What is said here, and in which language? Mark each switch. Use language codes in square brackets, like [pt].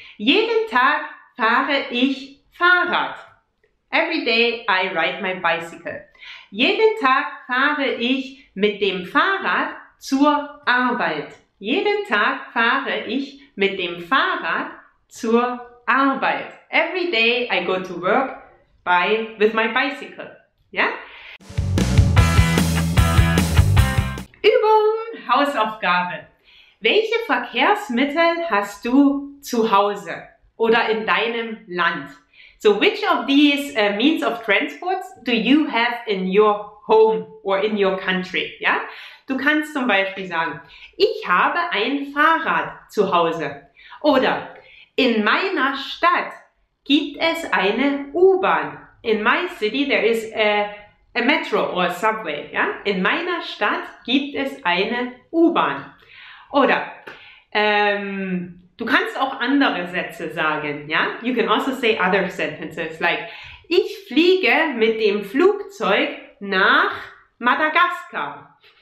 [de] Jeden Tag fahre ich Fahrrad. [en] Every day I ride my bicycle. [de] Jeden Tag fahre ich mit dem Fahrrad zur Arbeit. Jeden Tag fahre ich mit dem Fahrrad zur Arbeit. [en] Every day I go to work with my bicycle. [de] Ja? Übung, Hausaufgabe. Welche Verkehrsmittel hast du zu Hause oder in deinem Land? [en] So which of these means of transport do you have in your home or in your country? [de] Ja? Du kannst zum Beispiel sagen, ich habe ein Fahrrad zu Hause. Oder in meiner Stadt gibt es eine U-Bahn. [en] In my city there is a metro or a subway. [de] Ja? In meiner Stadt gibt es eine U-Bahn. Oder du kannst auch andere Sätze sagen. Ja? [en] You can also say other sentences like [de] ich fliege mit dem Flugzeug nach Madagaskar.